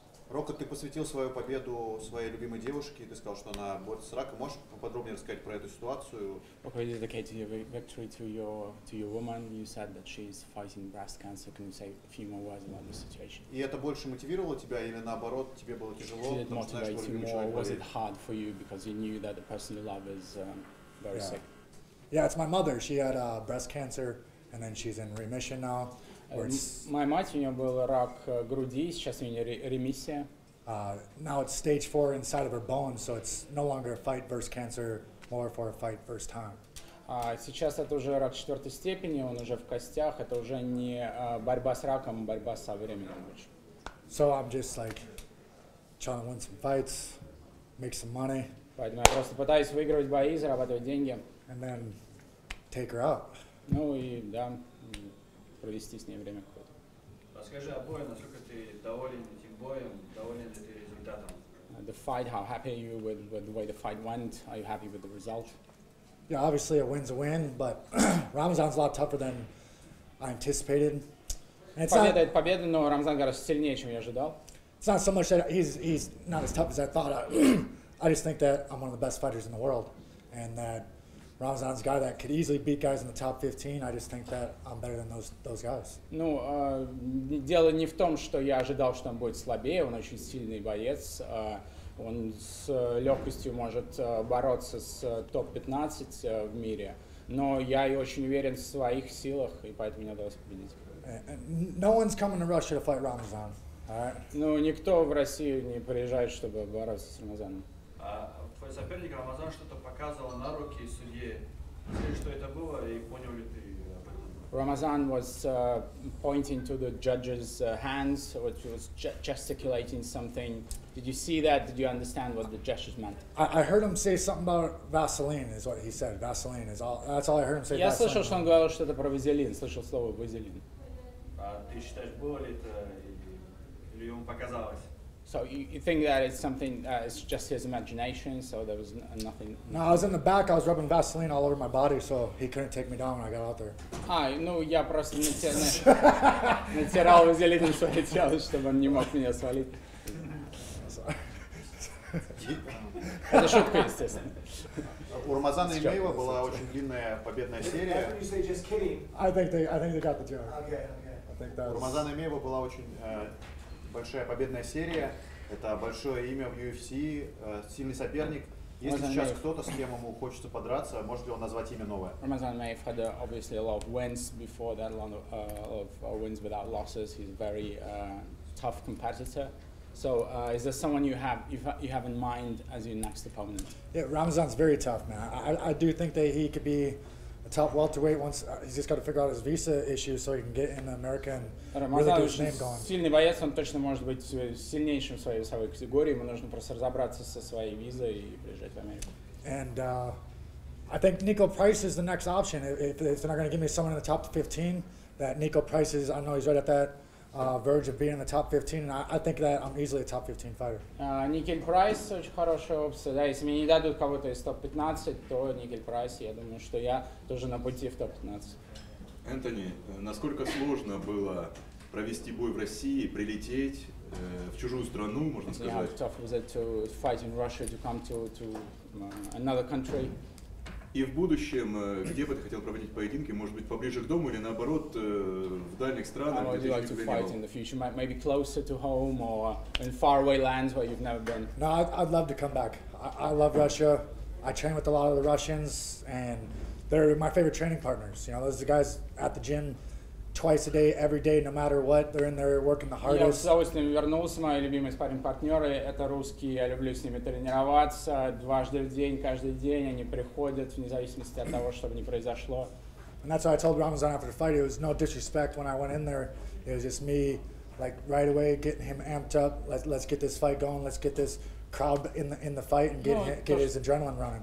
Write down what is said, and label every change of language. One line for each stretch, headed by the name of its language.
Russian: Рокот, ты посвятил свою победу своей любимой девушке, и ты сказал, что она борется с раком. Можешь поподробнее рассказать про эту ситуацию?
English: Okay, dedicated your victory to your woman. You said that she is fighting breast cancer. Can you say a few more words about the situation?
Russian: И это больше мотивировало тебя или наоборот, тебе было тяжело?
English: Did it motivate you more? Was it hard for you because you knew that the person you love is very yeah. sick? Yeah, it's my mother. She had breast cancer, and then she's in remission now.
Russian: Моя мать, у нее был рак груди, сейчас у нее ремиссия.
English: Now it's stage 4 inside of her bone, so it's no longer a fight versus cancer, more for a fight versus time.
Russian: Сейчас это уже рак четвертой степени, он уже в костях, это уже не борьба с раком, борьба со временем.
English: So I'm just like trying to win some fights, make some money.
Russian: Поэтому я просто пытаюсь выигрывать бои, зарабатывать деньги.
English: And then take her out.
Russian: Ну и да. Провести с ней время какое-то. Расскажи о бою, насколько ты доволен этим боем, доволен ли ты результатом?
English: The fight, how happy are you with the way the fight went? Are you happy with the result? Yeah, obviously a win's a win, but Ramzan's a lot tougher than I anticipated. And it's
Russian: победа,
English: not,
Russian: это победа, но Рамзан гораздо сильнее, чем я ожидал.
English: It's not so much that he's not as tough as I thought. I just think that I'm one of the best fighters in the world, and that Ramzan's a guy that could easily beat guys in the top 15. I just think that I'm better than those guys.
Russian: Ну, дело не в том, что я ожидал, что он будет слабее. Он очень сильный боец. Он с легкостью может бороться с топ-15 в мире. Но я и очень уверен в своих силах, и поэтому мне удалось победить.
English: No one's coming to Russia to fight Ramzan. All right?
Russian: Ну, никто в Россию не приезжает, чтобы бороться с Рамзаном. Твой соперник Рамазан что-то показывал на руки судье. Что это было и понял ли ты об этом?
English: Рамазан was pointing to the judge's hands, which was gesticulating something. Did you see that? Did you understand what the gestures meant? I heard him say something about Vaseline, is what he said. Vaseline is all. That's all I heard him say.
Russian: Я слышал, что он говорил что-то про вазелин. Слышал слово вазелин. А ты считаешь, было ли это или ему показалось?
English: So you think that it's something it's just his imagination, so there was nothing? No, I was in the back, I was rubbing Vaseline all over my body, so he couldn't take me down when I got out there.
Russian: Ну я просто натирал вазелином свое тело, чтобы он не мог меня свалить. Это шутка, естественно. У Рамазана Эмиева была очень длинная победная серия.
English: I think they got the joke. Okay, okay. I think that's...
Russian: У Рамазана Эмиева была очень... большая победная серия, это большое имя в UFC, сильный соперник. Если Ramzan сейчас кто-то, с кем ему хочется подраться, может ли он назвать имя новое?
English: Рамазан Эмиев had obviously a lot of wins before that, a lot of wins without losses. He's a very tough competitor. So is there someone you have in mind as your next opponent? Yeah, Ramazan's very tough, man. I do think that he could be a top welterweight once he's just got to figure out his visa issue so he can get in America and really get his name going.
Russian: Сильный боец, он точно может быть сильнейшим в своей весовой категории. Ему нужно просто разобраться со своей визой и приезжать в Америку.
English: And I think Nico Price is the next option. If they're not going to give me someone in the top 15, that Nico Price is, I know he's right at that verge of being in the top 15, and I think that I'm easily a top 15 fighter.
Russian: Nickel Price – очень хорошая опция. Да, если мне не дадут кого-то из топ-15, то Nickel Price, я думаю, что я тоже на пути в топ-15. Энтони, насколько сложно было провести бой в России, прилететь в чужую страну, можно сказать?
English: How tough was it to fight in Russia, to come to another country?
Russian: И в будущем, где бы ты хотел проводить поединки, может быть, поближе к дому или наоборот, в дальних странах, где ты никогда не был?
English: How would you like to fight in the future? Maybe closer to home or in faraway lands where you've never been? No, I'd love to come back. I love Russia. I train with a lot of the Russians, and they're my favorite training partners. You know, those are the guys at the gym twice a day, every day, no matter what. They're in there working the hardest.
Russian: Я с удовольствием вернулся. Мои любимые спарринг-партнеры – это русские. Я люблю с ними тренироваться дважды в день, каждый день. Они приходят, вне зависимости от того, что бы ни произошло.
English: And that's why I told Ramzan after the fight. It was no disrespect when I went in there. It was just me, like, right away, getting him amped up. Let's get this fight going. Let's get this crowd in the fight and get his adrenaline running.